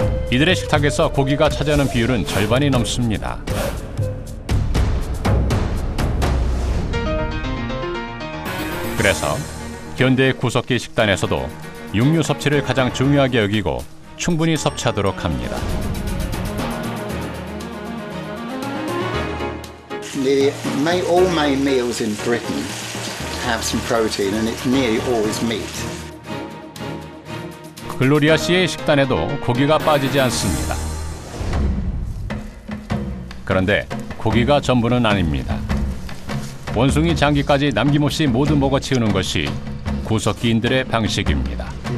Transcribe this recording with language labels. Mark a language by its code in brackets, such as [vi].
[ko] 이들의 식탁에서 고기가 차지하는 비율은 절반이 넘습니다. 그래서 현대 구석기 식단에서도 육류 섭취를 가장 중요하게 여기고 충분히 섭취하도록 합니다. [en] All my meals in Britain have some protein and it's nearly always meat. [ko] 글로리아 씨의 식단에도 고기가 빠지지 않습니다. 그런데 고기가 전부는 아닙니다. 원숭이 장기까지 남김없이 모두 먹어치우는 것이 구석기인들의 방식입니다.